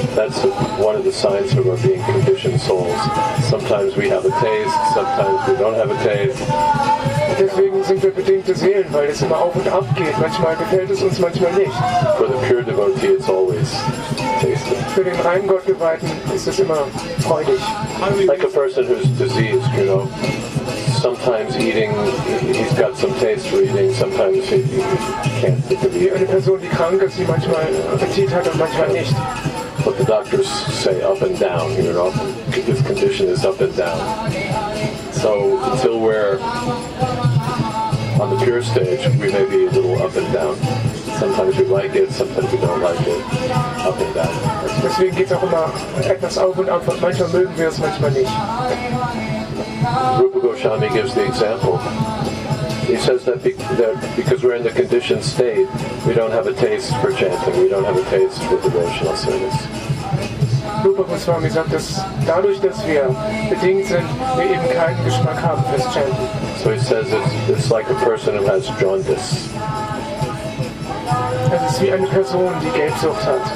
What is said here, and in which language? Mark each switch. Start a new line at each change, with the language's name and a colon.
English: That's one of the signs of our being conditioned souls. Sometimes we have a taste, sometimes we don't have a taste.
German: Deswegen sind wir bedingte Seelen, weil es immer auf und ab geht. Manchmal gefällt es uns, manchmal nicht.
English: For the pure devotee, it's always tasty.
German: Für den reinen Gottgeweihten ist es immer freudig.
English: Like a person who's diseased, you know. Sometimes eating, he's got some taste for eating. Sometimes he can't.
German: Wie eine Person, die krank ist, die manchmal Appetit hat und manchmal nicht.
English: But the doctors say up and down, you know. His condition is up and down. So until we're on the pure stage, we may be a little up and down. Sometimes we like it, sometimes we don't like it. Up and down.
German: Deswegen geht es auch immer etwas auf und ab. Manchmal mögen wir es, manchmal nicht.
English: Rupa Goswami gives the example. He says that, that because we're in the conditioned state, we don't have a taste for chanting, we don't have a taste for devotional service.
German: Rupa Goswami sagt, dass dadurch, dass wir bedingt sind, wir eben keinen Geschmack haben fürs Chanten.
English: So he says it's like a person who has jaundice.
German: Es ist wie eine Person, die Gelbsucht hat.